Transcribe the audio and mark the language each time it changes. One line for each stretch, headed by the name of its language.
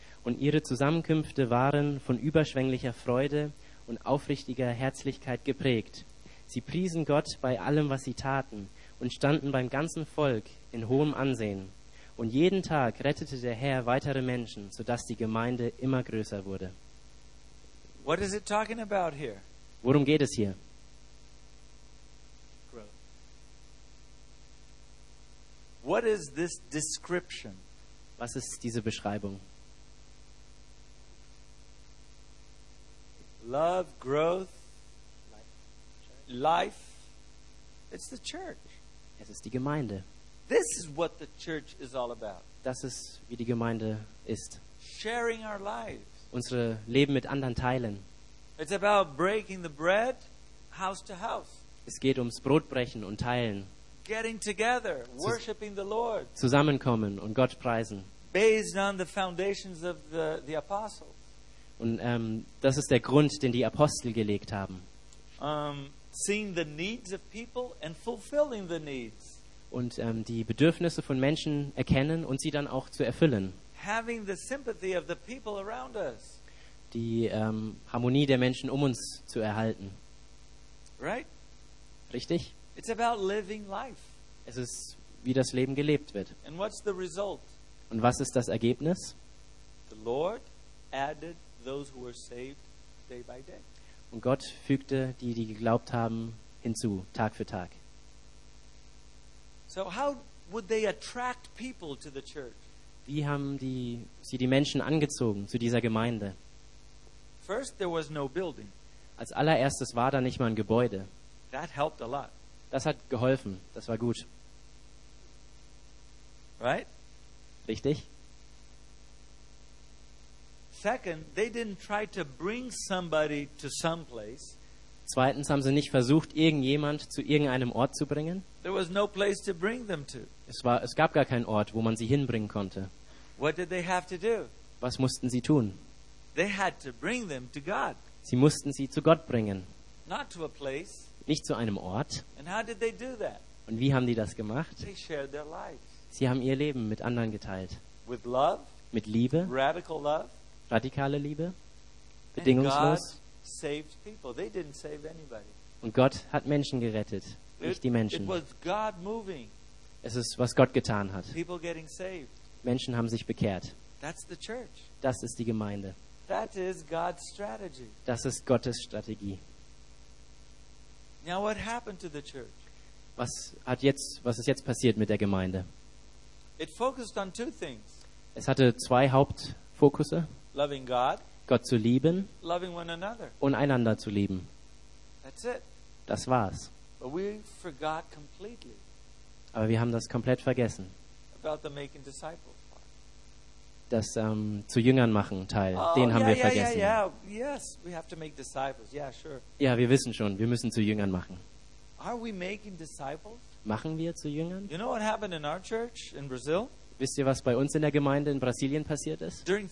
German: Und ihre Zusammenkünfte waren von überschwänglicher Freude und aufrichtiger Herzlichkeit geprägt. Sie priesen Gott bei allem, was sie taten, und standen beim ganzen Volk in hohem Ansehen. Und jeden Tag rettete der Herr weitere Menschen, sodass die Gemeinde immer größer wurde.
English: What is it talking about here?
German: Worum geht es hier?
English: What is this description?
German: Was ist diese Beschreibung?
English: Love, growth, life. It's the church.
German: Es ist die Gemeinde.
English: This is what the church is all about.
German: Das ist, wie die Gemeinde ist.
English: Sharing our lives.
German: Unsere Leben mit anderen teilen.
English: It's about breaking the bread, house to house.
German: Es geht ums Brotbrechen und Teilen.
English: Getting together, worshiping the Lord.
German: Zusammenkommen und Gott preisen.
English: Based on the foundations of the apostles.
German: Und das ist der Grund, den die Apostel gelegt haben.
English: Seeing the needs of people and fulfilling the needs.
German: Und die Bedürfnisse von Menschen erkennen und sie dann auch zu erfüllen.
English: Having the sympathy of the people around us.
German: Die Harmonie der Menschen um uns zu erhalten.
English: Right?
German: Richtig?
English: It's about living life.
German: Es ist, wie das Leben gelebt wird.
English: And what's the result?
German: Und was ist das Ergebnis?
English: The Lord added those who were saved day by day.
German: Und Gott fügte die, die geglaubt haben, hinzu, Tag für Tag.
English: So how would they attract people to the church?
German: Wie haben sie die Menschen angezogen zu dieser Gemeinde?
English: First, there was no building.
German: Als allererstes war da nicht mal ein Gebäude.
English: That helped a lot.
German: Das hat geholfen, das war gut.
English: Right?
German: Richtig.
English: Second, they didn't try to bring somebody to some place.
German: Zweitens haben sie nicht versucht, irgendjemand zu irgendeinem Ort zu bringen.
English: There was no place to bring them to.
German: Es gab gar keinen Ort, wo man sie hinbringen konnte.
English: What did they have to do?
German: Was mussten sie tun?
English: They had to bring them to God.
German: Sie mussten sie zu Gott bringen.
English: Not to a place.
German: Nicht zu einem Ort.
English: And how did they do that?
German: Und wie haben die das gemacht?
English: They shared their lives.
German: Sie haben ihr Leben mit anderen geteilt.
English: With love,
German: mit Liebe.
English: Radical love.
German: Radikale Liebe, bedingungslos.
English: And God saved people. They didn't save anybody.
German: Und Gott hat Menschen gerettet. nicht die Menschen.
English: It was God moving.
German: Es ist, was Gott getan hat.
English: People getting saved.
German: Menschen haben sich bekehrt.
English: That's the church.
German: Das ist die Gemeinde.
English: That is God's strategy.
German: Das ist Gottes Strategie.
English: Now what happened to the church?
German: Was ist jetzt passiert mit der Gemeinde?
English: It focused on two things.
German: Es hatte zwei Hauptfokusse.
English: Loving God.
German: Gott zu lieben.
English: Loving one another.
German: Und einander zu lieben.
English: That's it.
German: Das war's.
English: But we forgot completely.
German: Aber wir haben das komplett vergessen.
English: About the making disciples.
German: Das zu Jüngern machen Teil, den haben wir vergessen.
English: Yes, we have to make disciples. Yeah, sure.
German: Ja, wir wissen schon, wir müssen zu Jüngern machen.
English: Are we making disciples?
German: Machen wir zu Jüngern?
English: You know what happened in our church in Brazil?
German: Wisst ihr, was bei uns in der Gemeinde in Brasilien passiert ist?